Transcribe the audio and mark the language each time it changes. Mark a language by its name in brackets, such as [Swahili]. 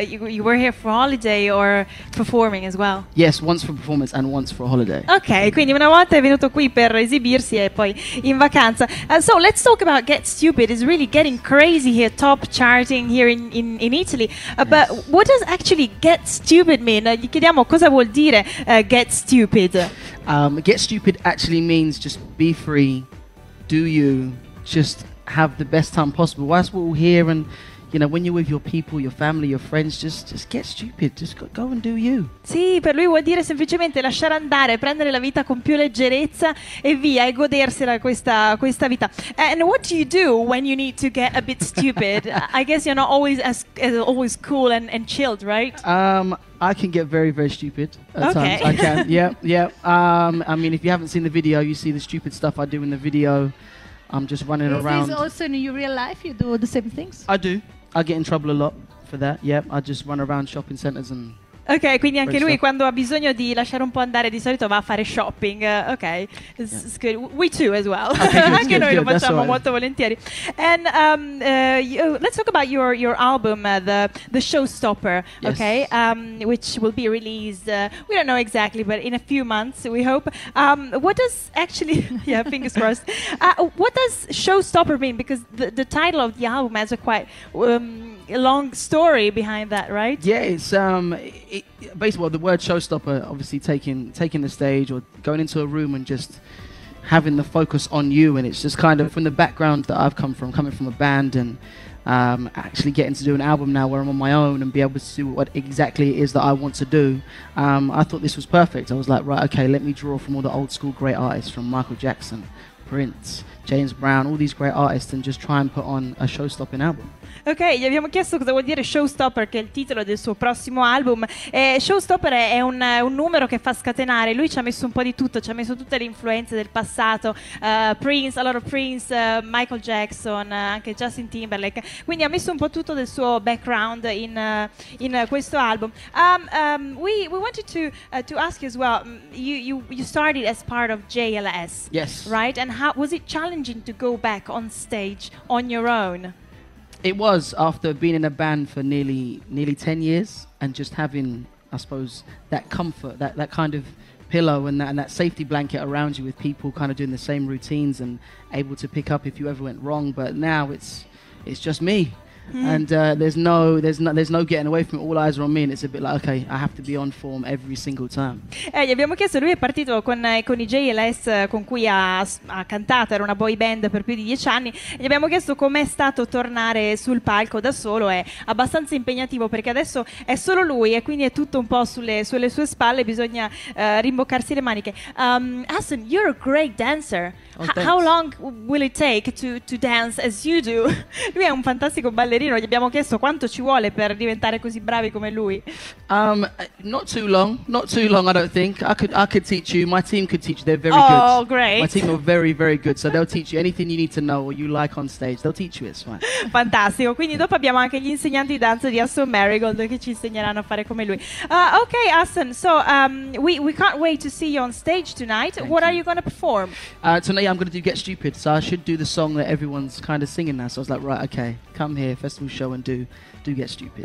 [English] You were here for holiday or performing as well? Yes, once for performance and once for holiday. [Italian] Okay, quindi una volta è venuto qui per esibirsi e poi in vacanza. [English] So let's talk about Get Stupid. It's really getting crazy here, top charting here in Italy. But yes. what does actually Get Stupid mean? [Italian] Gli chiediamo cosa vuol dire Get Stupid. [English] Get Stupid actually means just be free, do you, just have the best time possible. Why is we're all here? And you know, when you're with your people, your family, your friends, just get stupid. Just go and do you. [Italian] Sì, per lui vuol dire semplicemente lasciare andare, prendere la vita con più leggerezza e via, e godersela questa vita. [English] And what do you do when you need to get a bit stupid? I guess you're not always always cool and chilled, right? I can get very, very stupid at okay. times. I can. Yeah. I mean, if you haven't seen the video, you see the stupid stuff I do in the video. I'm just running is around. Is also in your real life you do the same things? I do. I get in trouble a lot for that. Yeah, I just run around shopping centers and [Italian] ok, quindi anche lui [English] stuff. [Italian] Quando ha bisogno di lasciare un po' andare di solito va a fare shopping. [English] Ok, it's yeah. good. We too as well. Okay, [Italian] anche [English] good, [Italian] noi [English] good. [Italian] Lo facciamo [English] right. [Italian] molto volentieri. [English] And let's talk about your album, the Showstopper, yes. ok? Which will be released, we don't know exactly, but in a few months, we hope. What does actually, yeah, fingers crossed, what does Showstopper mean? Because the title of the album has a quite... a long story behind that, right? Yeah, it's basically the word showstopper, obviously taking the stage or going into a room and just having the focus on you. And it's just kind of from the background that I've come from, coming from a band and actually getting to do an album now where I'm on my own and be able to see what exactly it is that I want to do. I thought this was perfect. I was like, right, okay, let me draw from all the old school great artists, from Michael Jackson, Prince, James Brown, all these great artists, and just try and put on a showstopping album. [Italian] Ok, gli abbiamo chiesto cosa vuol dire Showstopper, che è il titolo del suo prossimo album. Showstopper è un numero che fa scatenare. Lui ci ha messo un po' di tutto, ci ha messo tutte le influenze del passato, Prince, [English] a lot of Prince, [Italian] Michael Jackson, anche Justin Timberlake. Quindi ha messo un po' tutto del suo background in questo album. We wanted to ask you as well. You started as part of JLS, yes, right? And how was it challenging to go back on stage on your own? It was, after being in a band for nearly 10 years and just having, I suppose, that comfort, that kind of pillow and that safety blanket around you with people kind of doing the same routines and able to pick up if you ever went wrong. But now it's just me. Mm-hmm. And there's no getting away from it. All eyes are on me, and it's a bit like, okay, I have to be on form every single time. Gli abbiamo chiesto, lui è partito con i JLS con cui ha cantato, era una boy band per più di 10 anni. Gli abbiamo chiesto com'è stato tornare sul palco da solo. È abbastanza impegnativo perché adesso è solo lui e quindi è tutto un po' sulle sue spalle. Bisogna rimboccarsi le maniche. [English] Aston, you're a great dancer. Oh, how long will it take to dance as you do? [Italian] Lui è un fantastico ballerino, gli abbiamo chiesto quanto ci vuole per diventare così bravi come lui. [English] Not too long, I don't think. I could teach you. My team could teach you. They're very oh, Oh, great. My team are very, very good. So they'll teach you anything you need to know or you like on stage. They'll teach you, it's fine. [Italian] Fantastico. Quindi dopo abbiamo anche gli insegnanti di danza di Aston Merrygold che ci insegneranno a fare come lui. [English] Okay, Aston. So we can't wait to see you on stage tonight. Thank what you. Are you going to perform? Tonight I'm going to do Get Stupid. So I should do the song that everyone's kind of singing now. So I was like, right, okay. Come here, festival show and do Get Stupid.